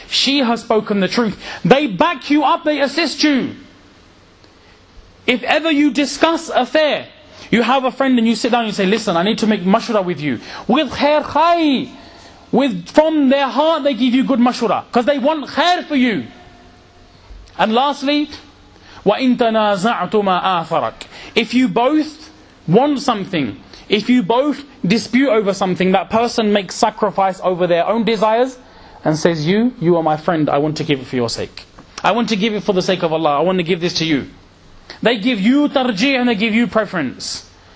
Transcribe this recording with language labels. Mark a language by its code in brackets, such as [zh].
[en] She has spoken the truth. They back you up, they assist you. If ever you discuss affair, you have a friend and you sit down and you say, listen, I need to make mashura with you. With khair khai, with from their heart they give you good mashura, because they want khair for you. And lastly, [ar] وَإِن تَنَازَعْتُمَا آثَرَكَ. [en] If you both want something, if you both dispute over something, that person makes sacrifice over their own desires and says, you are my friend, I want to give it for your sake. I want to give it for the sake of Allah, I want to give this to you. They give you tarjih and they give you preference.